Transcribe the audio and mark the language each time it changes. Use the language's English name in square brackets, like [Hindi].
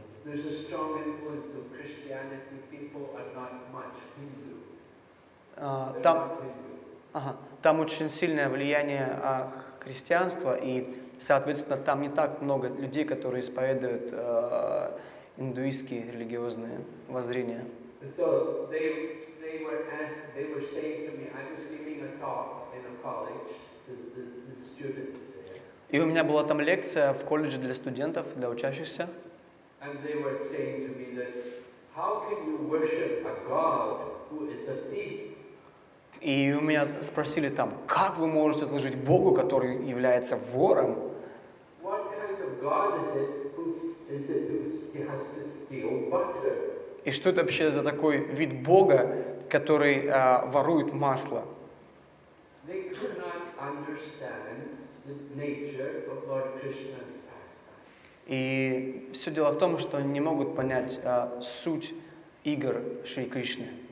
[English] There's a strong influence of Christianity. People are not much Hindu. [Russian] Там очень сильное влияние христианства, и, соответственно, там не так много людей, которые исповедуют индуистские религиозные воззрения. [English] So they were saying to me, I was giving a talk in a college to the students there. [Russian] И у меня была там лекция в колледже для студентов, для учащихся. [English] And they were saying to me that how can you worship a god who is a thief? [Russian] И у меня спросили там, как вы можете служить Богу, который является вором? [English] What kind of god is it who has to steal butter? [Russian] И что это вообще за такой вид Бога, который ворует масло? [English] They could not understand the nature of Lord Krishna's pastime. [Russian] И все дело в том, что они не могут понять суть игр Шри Кришны.